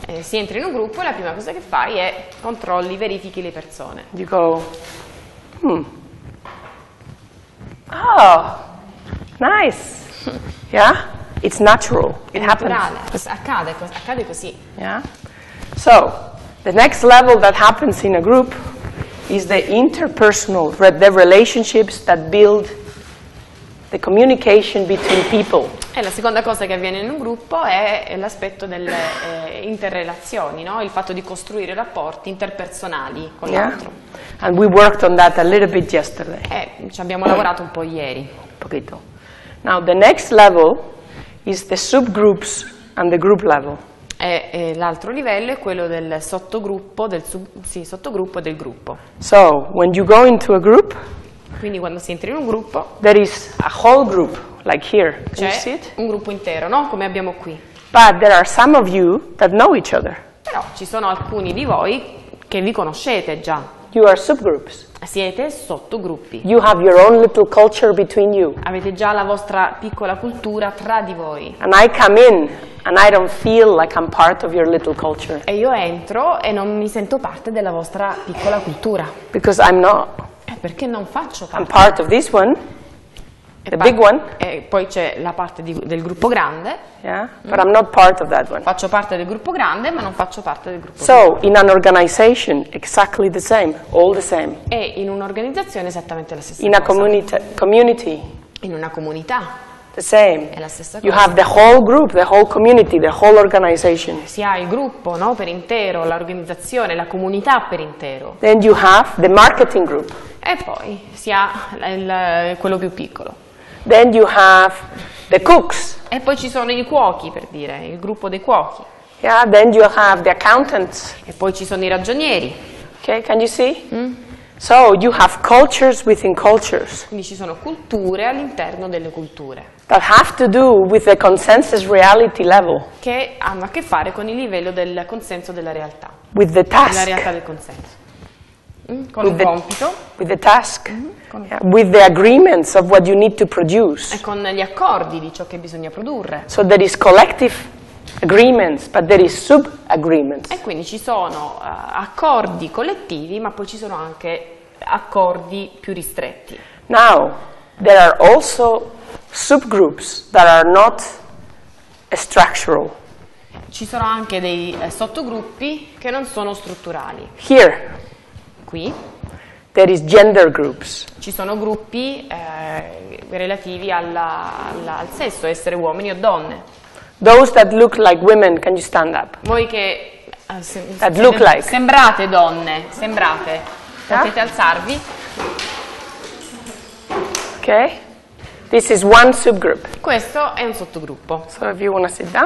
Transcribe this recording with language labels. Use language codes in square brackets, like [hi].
[it] Si entra in un gruppo e la prima cosa che fai è controlli, verifichi le persone. [en] You go, Oh, nice. Yeah? It's natural. It happens. [it] Accade così. [en] Yeah? So, the next level that happens in a group is the interpersonal, the relationships that build the communication between people. [it] E la seconda cosa che avviene in un gruppo è l'aspetto delle interrelazioni, no? Il fatto di costruire rapporti interpersonali con l'altro. [en] Yeah. And we worked on that a little bit yesterday. [it] Ci abbiamo lavorato un po' ieri. [es] Un pochito. [en] Now the next level is the subgroups and the group level. [it] E l'altro livello è quello del sottogruppo, sottogruppo del gruppo. [en] So when you go into a group. [it] Quindi quando si entra in un gruppo, [en] there is a whole group, like here. [it] C'è [en] you see it? [it] Un gruppo intero, no? Come abbiamo qui. [en] But there are some of you that know each other. [it] Però ci sono alcuni di voi che vi conoscete già. [en] You are subgroups. [it] Siete sottogruppi. [en] You have your own little culture between you. [it] Avete già la vostra piccola cultura tra di voi. [en] And I come in and I don't feel like I'm part of your little culture. [it] E io entro e non mi sento parte della vostra piccola cultura. [en] Because I'm not. [it] Perché non faccio parte? [en] I'm part of this one, the big one. [it] E poi c'è la parte del gruppo grande. [en] Yeah, but I'm not part of that one. [it] Faccio parte del gruppo grande, ma non faccio parte del gruppo. [en] So, in an organization, exactly the same, all the same. [it] E in un'organizzazione esattamente la stessa [en] cosa. In a community. [it] In una comunità. [en] The same. [it] È la stessa cosa. [en] You have the whole group, the whole community, the whole organization. [it] Si ha il gruppo, no, per intero, l'organizzazione, la comunità per intero. [en] Then you have the marketing group. [it] E poi si ha quello più piccolo. [en] Then you have the cooks. [it] E poi ci sono i cuochi, per dire, il gruppo dei cuochi. [en] Yeah, then you have the accountants. [it] E poi ci sono i ragionieri. [en] Okay, can you see? So you have cultures within cultures. [it] Quindi ci sono culture all'interno delle culture. [en] That have to do with the consensus reality level. [it] Che hanno a che fare con il livello del consenso della realtà. [en] With the task. [it] La realtà del consenso. Con il compito. [en] With the task. With the agreements of what you need to produce. [it] E con gli accordi di ciò che bisogna produrre. [en] So there is collective agreements, but there is sub agreements. [it] E quindi ci sono accordi collettivi, ma poi ci sono anche accordi più ristretti. [en] Now there are also subgroups that are not structural. [it] Ci sono anche dei sottogruppi che non sono strutturali. [en] Here. [it] Qui. [en] There is gender groups. [it] Ci sono gruppi relativi al sesso, essere uomini o donne. [en] Those that look like women, can you stand up? [it] Voi che [en] that look like. [it] Sembrate donne, sembrate. Yeah? Potete alzarvi. [en] Okay. This is one subgroup. [it] Questo è un sottogruppo. [en] So if you want to sit down.